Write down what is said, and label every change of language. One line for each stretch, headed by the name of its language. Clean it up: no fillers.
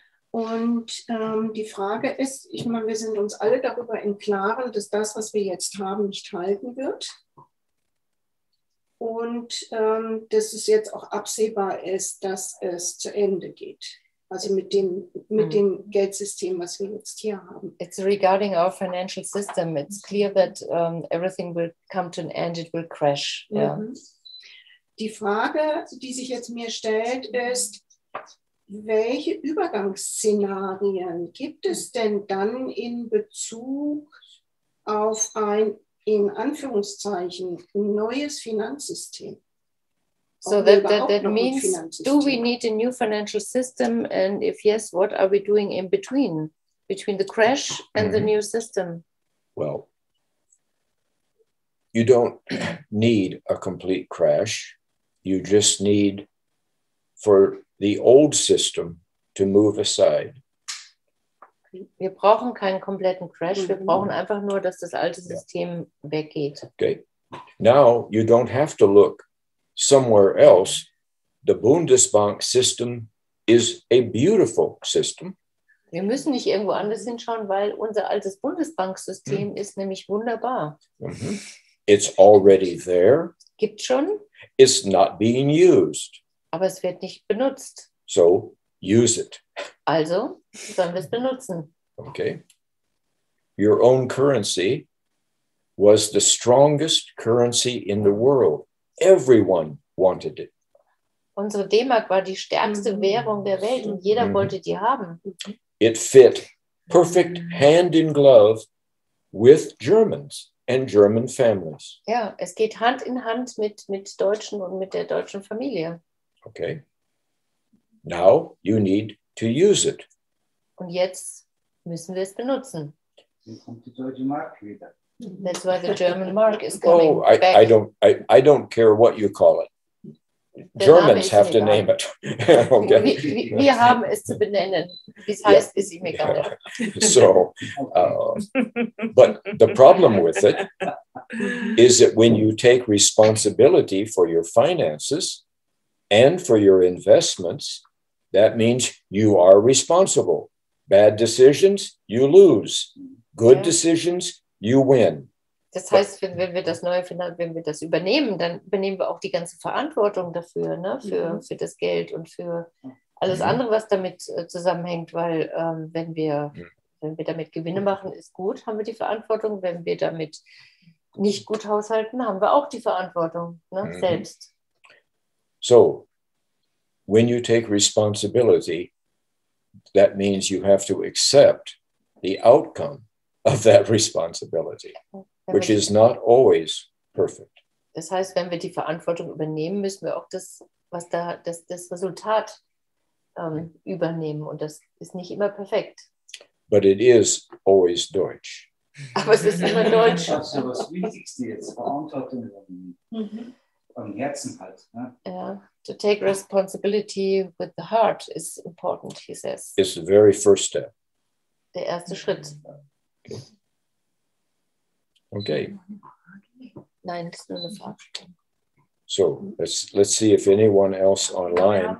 German: Und die Frage ist, ich meine, wir sind uns alle darüber im Klaren, dass das, was wir jetzt haben, nicht halten wird. Und dass es jetzt auch absehbar ist, dass es zu Ende geht. Also mit dem Geldsystem, was wir jetzt hier haben.
English: It's regarding our financial system. It's clear that everything will come to an end. It will crash. Mm-hmm. Yeah.
German: Die Frage, die sich jetzt mir stellt, ist, welche Übergangsszenarien gibt es denn dann in Bezug auf ein, in Anführungszeichen, neues Finanzsystem?
English: So that means, do we need a new financial system? And if yes, what are we doing in between the crash and the new system? Well, you don't need a complete crash. You just need for the old system to move aside.
German: Wir brauchen keinen kompletten Crash. Wir brauchen einfach nur, dass das alte System weggeht.
English: Okay. Now you don't have to look somewhere else. The Bundesbank system is a beautiful system.
German: Wir müssen nicht irgendwo anders hinschauen, weil unser altes Bundesbanksystem ist nämlich wunderbar.
English: Mm-hmm. It's already there.
German: Gibt's schon.
English: It's not being used.
German: Aber es wird nicht benutzt.
English: So use it.
German: Also sollen wir es benutzen.
English: Okay. Your own currency was the strongest currency in the world. Everyone wanted it.
German: Unsere D-Mark war die stärkste Währung der Welt und jeder wollte die haben.
English: It fit perfect hand in glove with Germans and German families.
German: Ja, es geht Hand in Hand mit Deutschen und mit der deutschen Familie.
English: Okay. Now you need to use it.
German: Und jetzt müssen wir es benutzen. Hier kommt die deutsche Mark wieder.
English: That's why the German mark is coming back. I don't care what you call it. Germans have to name it.
German: Okay. Wir haben es zu benennen. Wie es heißt, ist ihm egal.
English: So, but the problem with it is that when you take responsibility for your finances and for your investments, that means you are responsible. Bad decisions, you lose. Good decisions, you win.
German: Das heißt, wenn wir das übernehmen, dann übernehmen wir auch die ganze Verantwortung dafür, ne? Für das Geld und für alles andere, was damit zusammenhängt. Weil wenn wir damit Gewinne machen, ist gut, haben wir die Verantwortung. Wenn wir damit nicht gut haushalten, haben wir auch die Verantwortung, ne? Selbst.
English: So, when you take responsibility, that means you have to accept the outcome of that responsibility. Which is not always perfect.
German: Das heißt, wenn wir die Verantwortung übernehmen, müssen wir auch das Resultat übernehmen. Und das ist nicht immer perfekt.
English: But it is always Deutsch.
German: Aber es ist immer Deutsch. Also das Wichtigste jetzt, Verantwortung am Herzen halt.
English: Yeah. To take responsibility with the heart is important, he says. It's the very first step.
German: Der erste Schritt.
English: Okay. Okay.
German: Nein, das ist nur eine Frage.
English: So, let's see if anyone else online.